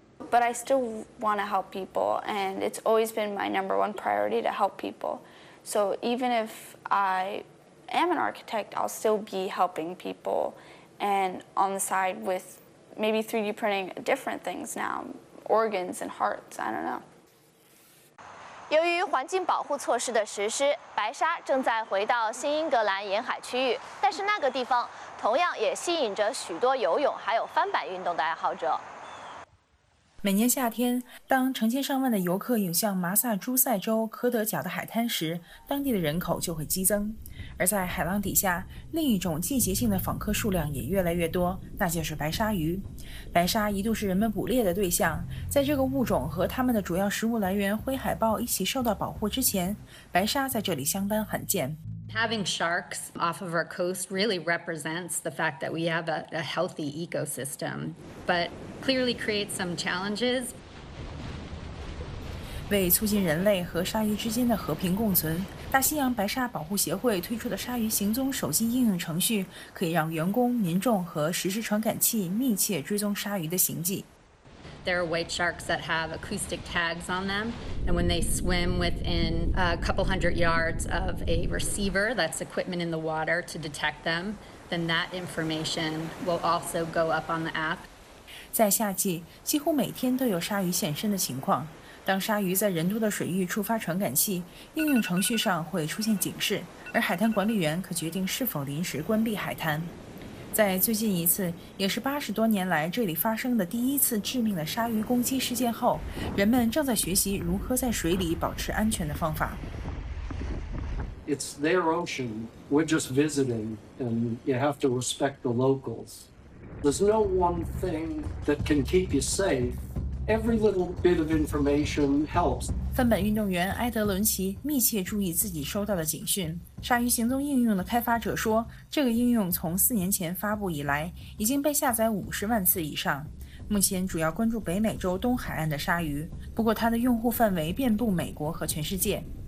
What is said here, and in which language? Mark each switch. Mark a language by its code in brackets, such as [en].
[en] But I still want to help people, and it's always been my number one priority to help people. So even if I am an architect, I'll still be helping people and on the side with maybe 3D printing different things now. Organs and hearts, I don't know. [zh] 由于环境保护措施的实施，白沙正在回到新英格兰沿海区域，但是那个地方同样也吸引着许多游泳还有帆板运动的爱好者。每年夏天，当成千上万的游客涌向马萨诸塞州科德角的海滩时，当地的人口就会激增。而在海浪底下，另一种季节性的访客数量也越来越多，那就是白鲨鱼。白鲨一度是人们捕猎的对象，在这个物种和它们的主要食物来源灰海豹一起受到保护之前，白鲨在这里相当罕见。 [en] Having sharks off of our coast really represents the fact that we have a healthy ecosystem, but clearly creates some challenges. [zh] 为促进人类和鲨鱼之间的和平共存，大西洋白鲨保护协会推出的鲨鱼行踪手机应用程序可以让员工、民众和实时传感器密切追踪鲨鱼的行迹。 [en] There are white sharks that have acoustic tags on them, and when they swim within a couple hundred yards of a receiver, that's equipment in the water to detect them, then that information will also go up on the app. [zh] 在夏季，几乎每天都有鲨鱼现身的情况。当鲨鱼在人多的水域触发传感器，应用程序上会出现警示，而海滩管理员可决定是否临时关闭海滩。在最近一次，也是80多年来这里发生的第一次致命的鲨鱼攻击事件后，人们正在学习如何在水里保持安全的方法。 [en] It's their ocean. We're just visiting, and you have to respect the locals. There's no one thing that can keep you safe. Every little bit of information helps. [zh] 帆板运动员埃德伦奇密切注意自己收到的警讯。鲨鱼行踪应用的开发者说，这个应用从4年前发布以来，已经被下载50万次以上。目前主要关注北美洲东海岸的鲨鱼，不过它的用户范围遍布美国和全世界。